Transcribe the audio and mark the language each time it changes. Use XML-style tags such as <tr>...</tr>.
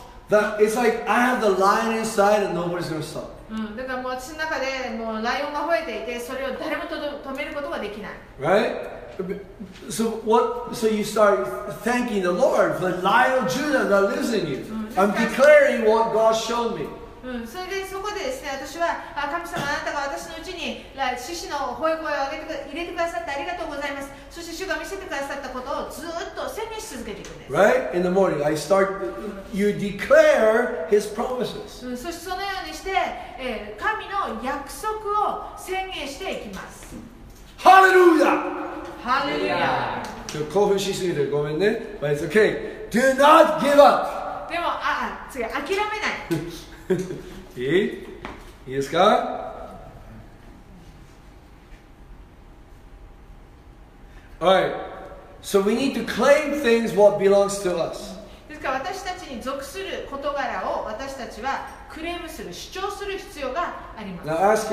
<en>That it's like I have the lion inside and nobody's going to stop me. Right? So what? So you start thanking the Lord for the lion of Judah that lives in you. I'm declaring what God showed me.</en> <ja>それでそこでですね、私は、神様あなたが私のうちに獅子の吠え声を上げて入れてくださってありがとうございます。そして主が見せてくださったことをずっと宣言し続けていくんです。</ja> <en>Right? In the morning, I start, you declare his promises.</en> <ja>そしてそのようにして、神の約束を宣言していきます。ハレルヤ！ハレルヤ！ちょっと興奮しすぎてごめんね。</ja> <en>But it's okay. Do not give up!</en> <ja>でも、次、諦めない。いい？いいですか？はい。</ja> <en>So we need to claim things what belongs to us.</en> <ja>ですから私たちに属する事柄を私たちはクレームする、主張する必要があります。</ja>